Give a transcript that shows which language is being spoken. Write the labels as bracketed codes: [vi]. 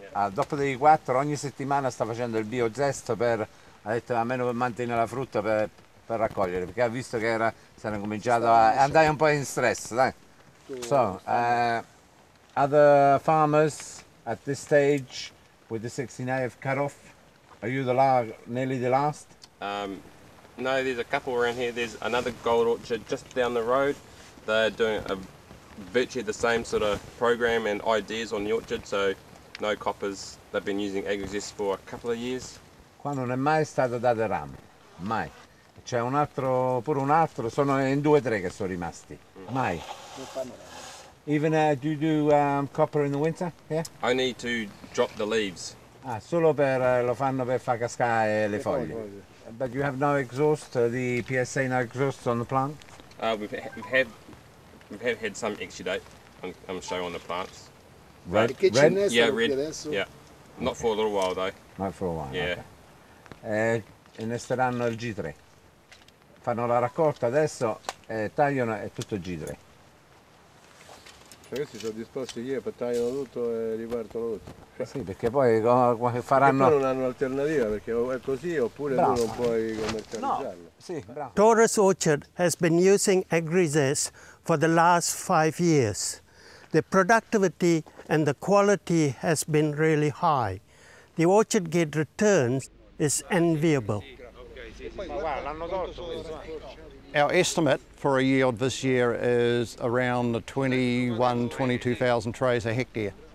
[it] Dopo dei 4, ogni settimana sta facendo il biozesto per, ha detto, almeno per mantenere la frutta, per raccogliere, perché ha visto che era, si era cominciato a andare un po' in stress, dai. [en] So, other farmers at this stage with the 16A cut-off, are you nearly the last? No, there's a couple around here. There's another gold orchard just down the road. They're doing virtually the same sort of program and ideas on the orchard, so no coppers. They've been using Agrizest for a couple of years. [it] Qua non è mai stato dato rame, mai. C'è un altro, pure un altro, sono in 2-3 che sono rimasti. Mai. [en] Even do you do copper in the winter? Yeah? Only to drop the leaves. [it] Ah, solo per lo fanno per far cascare le foglie. [en] But you have no exhaust, the PSA no exhaust on the plant? We've had some exudate on show on the plants. Red? Red? Yeah, red. Yeah. Not for a little while though. Not for a while. Yeah. [it] Okay. Innesteranno il G3. Fanno la raccolta adesso, tagliano e tutto G3. Cioè questi sono disposti io per tagliare tutto e ripartono tutto. Sì, perché poi faranno... E poi non hanno alternativa, perché è così oppure bravo. Tu non puoi commercializzarlo. No. Sì, bravo. [en] Torres Orchard has been using Agrizest for the last 5 years. The productivity and the quality has been really high. The orchard gate returns is enviable. Our estimate for a yield this year is around the 21,000-22,000 trays a hectare.